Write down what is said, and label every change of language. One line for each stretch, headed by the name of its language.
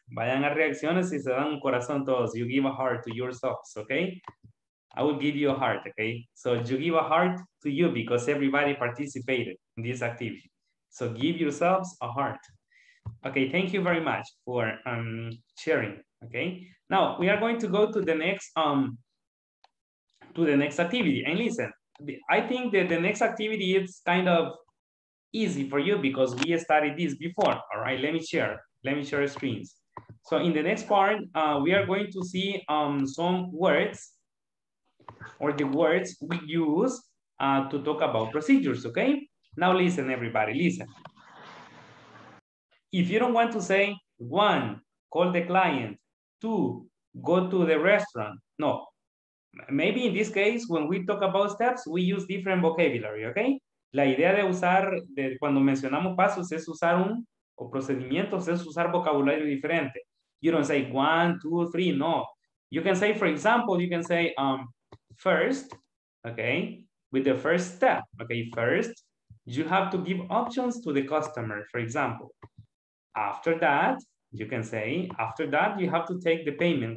Spanish: Vayan a reacciones y se dan un corazón todos.
English: You give a heart to yourselves, okay? I will give you a heart, okay? So you give a heart to you because everybody participated in this activity. So give yourselves a heart. Okay, thank you very much for sharing, okay? Now, we are going to go to the next activity. And listen, I think that the next activity is kind of easy for you because we studied this before, all right? Let me share screens. So in the next part, we are going to see some words or the words we use to talk about procedures, okay? Now listen, everybody, listen. If you don't want to say, one, call the client, two, go to the restaurant, no. Maybe in this case, when we talk about steps, we use different vocabulary, okay?
Spanish: La idea de usar, de cuando mencionamos pasos, es usar un, o procedimientos, es usar vocabulario diferente.
English: You don't say one, two, three, no. You can say, for example, you can say first, okay, with the first step, okay? First, you have to give options to the customer, for example. After that, you can say, after that, you have to take the payment.